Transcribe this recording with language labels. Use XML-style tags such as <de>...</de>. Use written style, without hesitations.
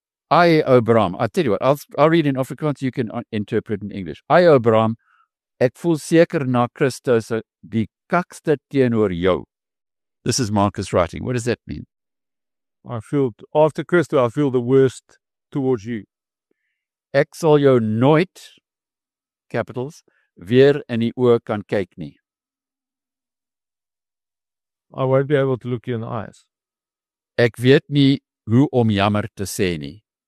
<en>Aye Obram, I tell you what, I'll read in Afrikaans, you can interpret in English.</en> <af>Aye Obram, ek voel seker na Christus die kakste teenoor jou.</af> <en>This is Marcus writing. What does that mean? I feel, after Christus, I feel the worst towards you.</en> <af>Ek sal jou nooit, capitals, weer in die oor kan kyk nie.</af> <en>I won't be able to look you in the eyes.</en> <af>Ek weet nie hoe om jammer te sê nie.</af>